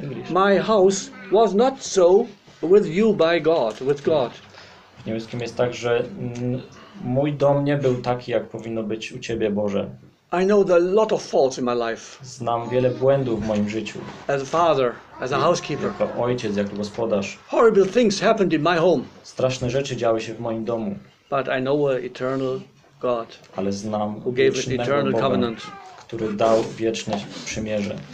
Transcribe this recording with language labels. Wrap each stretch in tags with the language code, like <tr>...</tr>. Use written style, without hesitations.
<en>My house was not so with you by God, with God.</en> <pl>W niemieckim jest tak, że mój dom nie był taki, jak powinno być u Ciebie, Boże.</pl> <en>I know there are a lot of faults in my life.</en> <pl>Znam wiele błędów w moim życiu.</pl> <en>As a father, as a housekeeper.</en> <pl>Jako ojciec, jako gospodarz.</pl> <en>Horrible things happened in my home.</en> <pl>Straszne rzeczy działy się w moim domu.</pl> <en>But I know an eternal God.</en> <pl>Ale znam</pl> <en>who gave an eternal</en> <pl>Boga,</pl> <en>covenant.</en> <pl>Który dał wieczne przymierze.</pl>